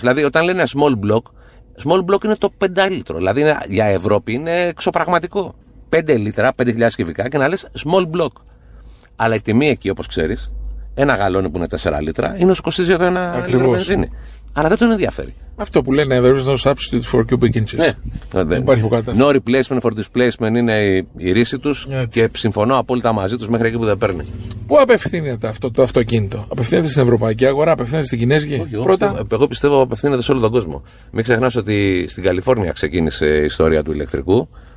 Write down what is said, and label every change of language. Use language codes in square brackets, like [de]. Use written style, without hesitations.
[el] Δηλαδή, όταν λένε small block, small block είναι το 5 λίτρο. Δηλαδή, για Ευρώπη είναι εξωπραγματικό. 5 λίτρα, 5.000 κυβικά και να λες small block. Αλλά η τιμή εκεί, όπως ξέρεις, ένα γαλόνι που είναι 4 λίτρα είναι όσο κοστίζει εδώ ένα λίτρο βενζίνη. Αλλά δεν τον ενδιαφέρει. Αυτό που λένε, [en] there is no substitute for cubic inches. [el] Ναι, δεν υπάρχει κατάσταση. [en] No replacement for displacement [el] είναι η ρίση τους και συμφωνώ απόλυτα μαζί τους μέχρι εκεί που δεν παίρνει. Πού απευθύνεται αυτό το αυτοκίνητο, απευθύνεται στην ευρωπαϊκή αγορά, απευθύνεται στην κινέζικη? Εγώ πιστεύω απευθύνεται σε όλο τον κόσμο. Μην ξεχνάς ότι στην Καλιφόρνια ξεκίνησε η ιστορία του ηλεκτρικού.